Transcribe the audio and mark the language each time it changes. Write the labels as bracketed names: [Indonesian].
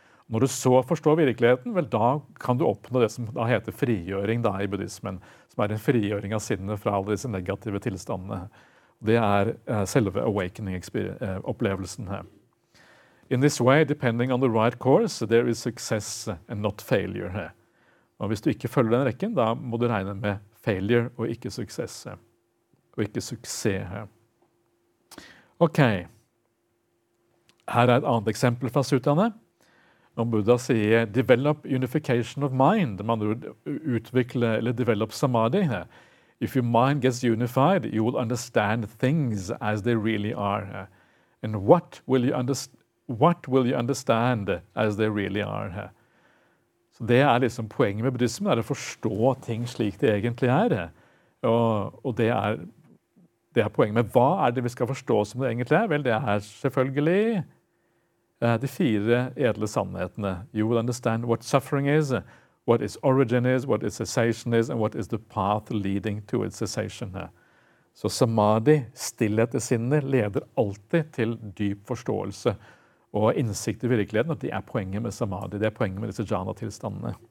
[Norwegian] Når du så forstår virkeligheten, vel da kan du oppnå det som da heter frigjøring da, i buddhismen, som er en frigjøring av sinnet fra alle disse negative tilstandene. Det er selve awakening-opplevelsen her. [English] In this way, depending on the right course, there is success and not failure her. [Norwegian] Og hvis du ikke følger den rekken, da må du regne med failure og ikke suksess. Og ikke suksess her. Ok. Her et annet eksempel fra Suttaene. Når Buddha sier, [English] develop unification of mind, [Norwegian] man utvikler eller develop samadhi her. [English] If your mind gets unified, you will understand things as they really are. And what will you understand as they really are? [Norwegian] Så det er liksom poenget med buddhismen, er å forstå ting slik det egentlig er. Og det er poenget med hva er det vi skal forstå som det egentlig er? Vel, det er selvfølgelig de fire edle sannhetene. [English] You will understand what suffering is, what its origin is, what its cessation is, and what is the path leading to its cessation. [Norwegian] Så samadhi, stillhet i sinnet, leder alltid til dyp forståelse og innsikt i virkeligheten, at det er poenget med samadhi, det er poenget med disse jhana-tilstandene.